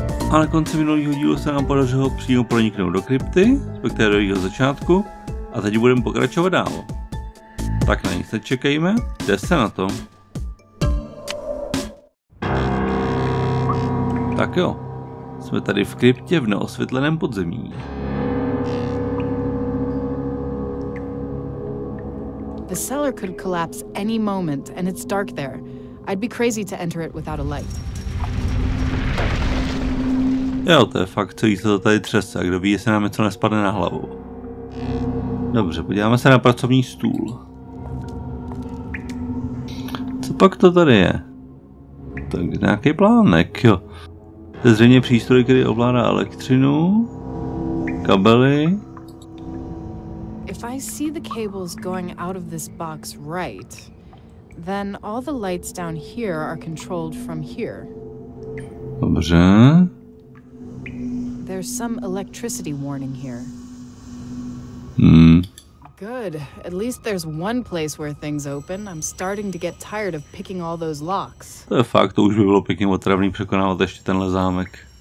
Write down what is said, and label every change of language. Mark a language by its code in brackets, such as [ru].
[cs] A na konci minulého dílu se nám podařilo přímo proniknout do krypty, respektive do jejího začátku, a teď budeme pokračovat dál. Tak na nic nečekejme, jde se na to. Tak jo, jsme tady v kryptě v neosvětleném podzemí. [en] The cellar could collapse any moment and it's dark there. I'd be crazy to enter it without a light. [cs] Jo, to je fakt, co jí se to tady třese a kdo ví, jestli nám něco nespadne na hlavu. Dobře, podíváme se na pracovní stůl. Co pak to tady je? Tak nějaký plánek, jo. To je zřejmě přístroj, který ovládá elektřinu. Kabely. [en] If I see the cables going out of this box right, then all the lights down here are controlled from here. [cs] Dobře. [en] There's some electricity warning here. Good. At least there's one place where things open. I'm starting to get tired of picking all those locks. [cs] To je fakt, to už by bylo pěkně otravný překonávat ještě tenhle zámek.